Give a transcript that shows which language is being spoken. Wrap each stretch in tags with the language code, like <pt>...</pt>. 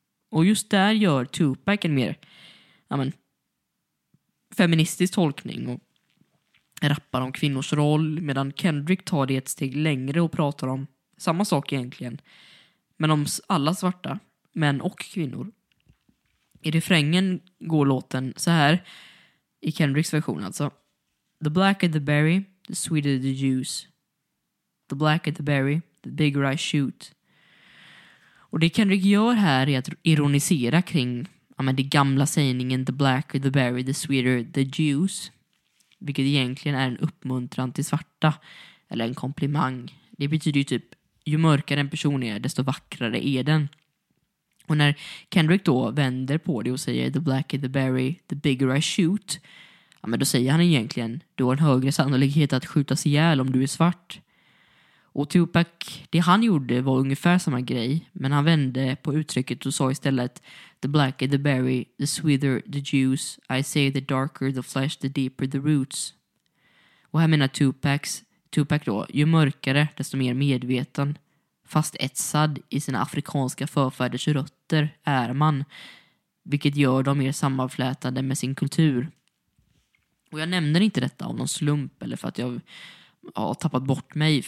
<sv>Och just där gör Tupac en mer, ja men, feministisk tolkning och rappar om kvinnors roll, medan Kendrick tar det ett steg längre och pratar om samma sak egentligen, men om alla svarta, män och kvinnor. I refrängen går låten så här, i Kendricks version alltså.</sv> <en>The blacker the berry, the sweeter the juice. The blacker the berry, the bigger I shoot.</en> <sv>Och det Kendrick gör här är att ironisera kring, ja men, det gamla sägningen</sv> <en>the blacker the berry, the sweeter the juice.</en> <sv>Vilket egentligen är en uppmuntran till svarta. Eller en komplimang. Det betyder ju typ, ju mörkare en person är, desto vackrare är den. Och när Kendrick då vänder på det och säger</sv> <en>the blacker the berry, the bigger I shoot.</en> <sv>Ja, men då säger han egentligen, du har en högre sannolikhet att skjutas ihjäl om du är svart. Och Tupac, det han gjorde var ungefär samma grej. Men han vände på uttrycket och sa istället,</sv> <en>the blacker the berry, the sweeter the juice. I say the darker the flesh, the deeper the roots.</en> <sv>Och här menar Tupac då, ju mörkare desto mer medveten, fast etsad i sina afrikanska förfäders rötter, är man. Vilket gör dem mer sammanflätade med sin kultur. Och jag nämner inte detta av någon slump eller för att jag har tappat bort mig.</sv>